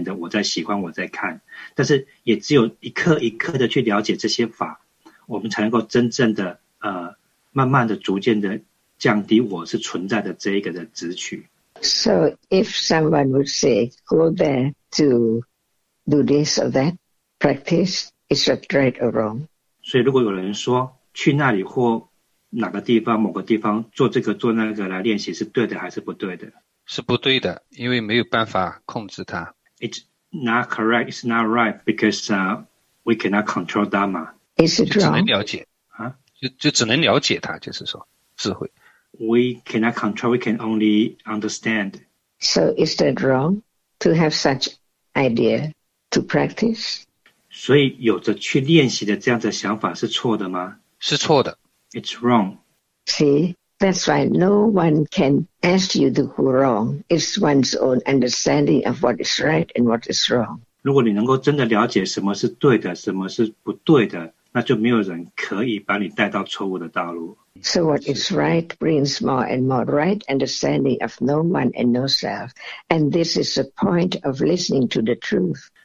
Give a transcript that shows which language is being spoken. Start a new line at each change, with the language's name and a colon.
Chinese: 那么老师是同意你说的，就是因为这些不同时刻的法的生灭太快了，那各个不同的法其实是去做他们自己的功能哦，但是也因为邪见的关系，我们认为是由我在经验的，我在喜欢，我在看。但是也只有一刻一刻的去了解这些法，我们才能够真正的慢慢的、逐渐的降低我是存在的这一个的执取。So
English: if someone would say go there to do this or that practice, is that right or wrong?
Chinese: 所以如果有人说去那里或哪个地方某个地方做这个做那个来练习是对的还是不对的？是不对的，因为没有办法控制它。
English: It's not correct, it's not right, because we cannot control Dharma. Is it wrong?
Chinese: 就只能了解它，就是说智慧。
English: We cannot control, we can only understand. So is that wrong to have such idea to practice?
Chinese: 所以有着去练习的这样的想法是错的吗? 是错的。
English: It's wrong. See, that's why no one can ask you to go wrong. It's one's own understanding of what is right and what is wrong.
Chinese: 如果你能够真的了解什么是对的，什么是不对的，那就没有人可以把你带到错误的道路。So
English: what is right brings more and more right understanding of no one and no self. And this is the point of listening to the truth.